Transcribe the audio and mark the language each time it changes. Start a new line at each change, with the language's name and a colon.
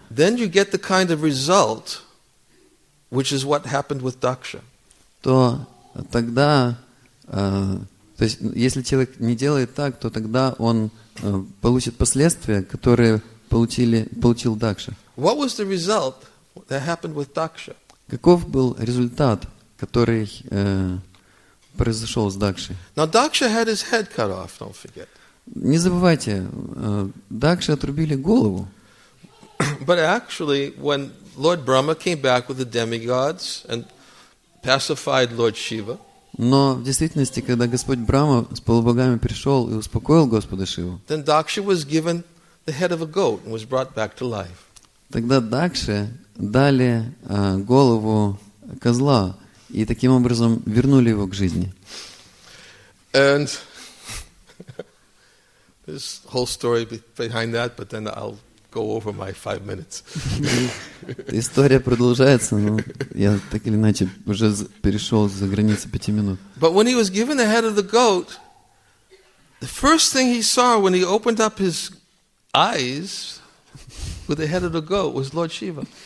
English: Then you get the kind of result, which is what happened with Daksha.
Russian: То тогда, то есть, если человек не делает так, то тогда он получит последствия, которые получил Дакша.
English: What was the result that happened with Daksha?
Russian: Каков был результат, который произошел с Дакшей?
English: Now Daksha had his head cut off. Don't forget.
Russian: Не забывайте, Дакше отрубили голову.
English: But actually, when Lord Brahma came back with the demigods and pacified Lord Shiva,
Russian: но в действительности, когда Господь Брама с полубогами пришел и успокоил Господа Шиву,
English: then Daksha was given the head of a goat and was brought back to life.
Russian: Тогда Дакше дали голову козла и таким образом вернули его к жизни.
English: And this whole story behind that, but then I'll go over my 5 minutes.
Russian: История продолжается, но я так или иначе уже перешел за границу 5 минут.
English: But when he was given the head of the goat, The first thing he saw when he opened up his eyes with the head of the goat was Lord Shiva.